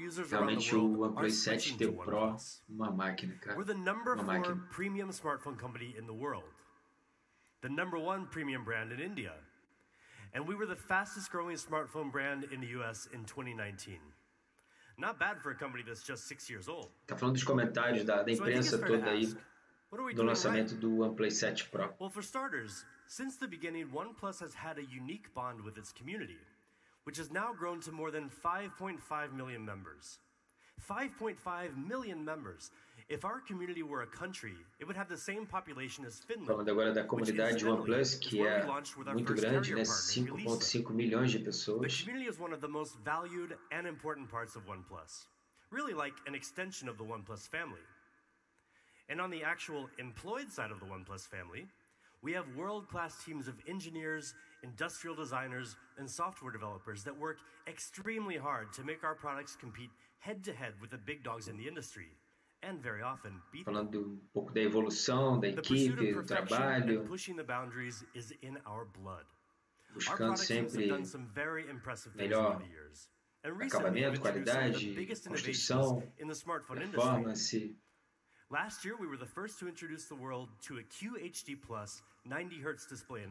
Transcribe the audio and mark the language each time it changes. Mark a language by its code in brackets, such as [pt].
[pt] Realmente o OnePlus 7 T Pro, uma máquina, cara. [en] We're the number 4 premium smartphone company in the world. The number 1 premium brand in India. And we were the fastest growing smartphone brand in the US in 2019. Not bad for a company that's just 6 years old. [pt] Tá falando dos comentários da imprensa toda aí do lançamento do OnePlus 7 Pro. [en] Well, for starters, since the beginning, OnePlus has had a unique bond with its community, which has now grown to more than 5.5 million members. 5.5 million members. If our community were a country, it would have the same population as Finland. [pt] Falando agora da comunidade OnePlus, que é muito grande, né? 5.5 milhões de pessoas. [en] The community is one of the most valued and important parts of OnePlus. Really like an extension of the OnePlus family. And on the actual employed side of the OnePlus family, we have world-class teams of engineers, industrial designers, and software developers that work extremely hard to make our products compete head-to-head with the big dogs in the industry, and very often beat them. [pt] Falando um pouco da evolução, da equipe, do trabalho. [en] The pursuit of perfection and pushing the boundaries is in our blood. Our products have done some very impressive things over the years. And recently, we've introduced some of the biggest innovations in the smartphone industry. Last year, we were the first to introduce the world to a QHD Plus 90Hz display in